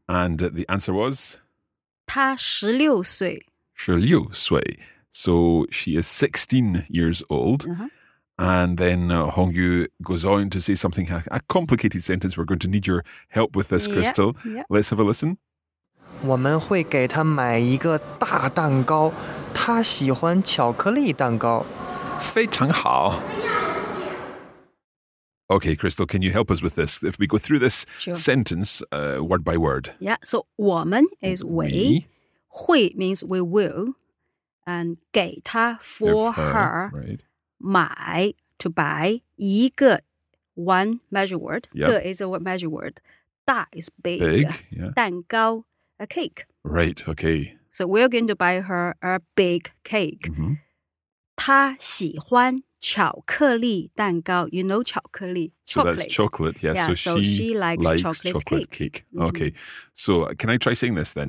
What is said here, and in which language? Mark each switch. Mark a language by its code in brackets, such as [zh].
[en] And the answer was? [zh] 她16岁. 16岁. [en] So she is 16 years old. Uh-huh. And then Hong Yu goes on to say something, a complicated sentence. We're going to need your help with this, Crystal. Yep, yep. Let's have a listen. [zh] 我们会给她买一个大蛋糕. 她喜欢巧克力蛋糕. 非常好. [en] Okay, Crystal, can you help us with this? If we go through this sure. sentence word by word. Yeah, so 我们 is we. 会 means we will. And 给他 for her. Right. 买 to buy. 一个 one measure word. Yep. 个 is a measure word. 大 is big. Big, yeah. 蛋糕, a cake. Right, okay. So we're going to buy her a big cake. Mm-hmm. [zh] 她喜欢 巧克力蛋糕, [en] you know 巧克力, chocolate. So that's chocolate, yes. Yeah, so she likes chocolate cake. Mm-hmm. Okay, so can I try saying this then?